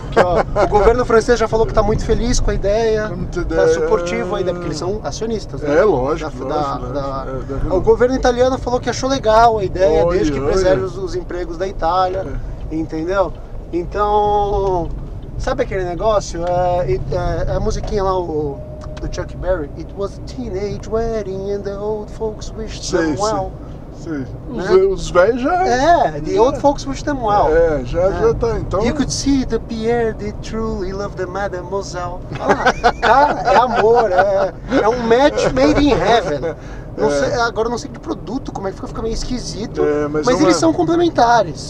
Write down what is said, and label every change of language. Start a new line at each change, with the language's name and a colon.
Portuguese: Porque, ó, o governo francês já falou que tá muito feliz com a ideia. Tá suportivo ainda, porque eles são acionistas, né? É, lógico. O governo italiano falou que achou legal a ideia, desde que preserve os empregos da Itália, entendeu? Então, sabe aquele negócio? A musiquinha lá, do Chuck Berry.
English: It was a teenage wedding and the old folks wished them well.
Portuguese: Os velhos já...
English: Old folks wish them well.
Portuguese: Já tá, então...
English: You could see the Pierre did truly love the mademoiselle.
Portuguese: Cara, é amor, é um
English: match made in heaven.
Portuguese: Não sei de produto, como é que fica meio esquisito, mas eles são complementares.